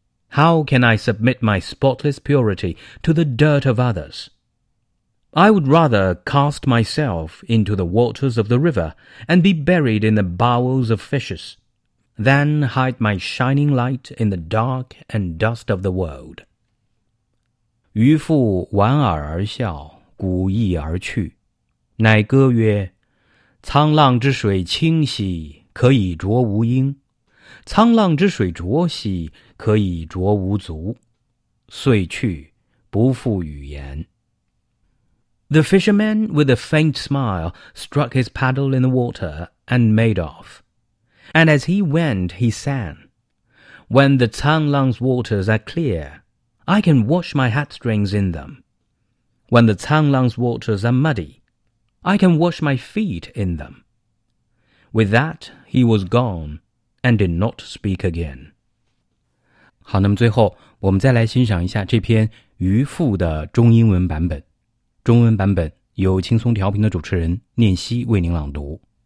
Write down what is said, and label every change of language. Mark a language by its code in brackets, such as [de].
[en] How can I submit my spotless purity to the dirt of others? I would rather cast myself into the waters of the river and be buried in the bowels of fishes, than hide my shining light in the dark and dust of the world. [zh] 渔父莞尔而笑，鼓翼而去，乃歌曰，沧浪之水清兮，可以濯吾缨，沧浪之水浊兮，可以濯吾足，遂去，不复语言。 [en] The fisherman with a faint smile struck his paddle in the water and made off. And as he went, he sang, When the Cang-lang's waters are clear,I can wash my hat strings in them. When the Cang-lang's waters are muddy, I can wash my feet in them. With that, he was gone and did not speak again. [zh] 好，那么最后我们再来欣赏一下这篇渔父的中英文版本。中文版本由轻松调频的主持人念希为您朗读。